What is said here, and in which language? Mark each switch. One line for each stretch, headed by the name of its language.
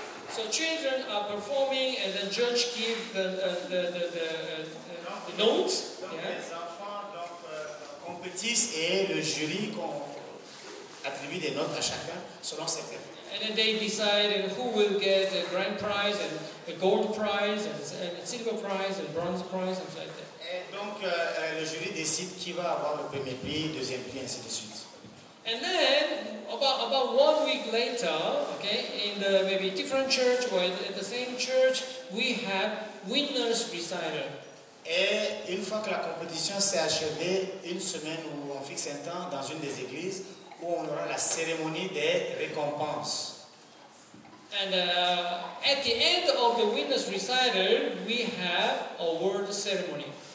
English: So children are performing and the judge gives the notes.
French: Les enfants compétissent et le jury attribue des notes à chacun selon ses thèmes.
English: And then they decide who will get the grand prize and the gold prize and the silver prize and bronze prize and so like that.
French: Et donc le jury décide qui va avoir le premier prix, deuxième prix, ainsi de suite.
English: And then about 1 week later, okay, in the maybe different church or at the same church, we have winners recital.
French: Et une fois que la compétition s'est achevée, une semaine où on fixe un temps dans une des églises où on aura la cérémonie des récompenses.
English: And at the end of the winners recital, we have award ceremony.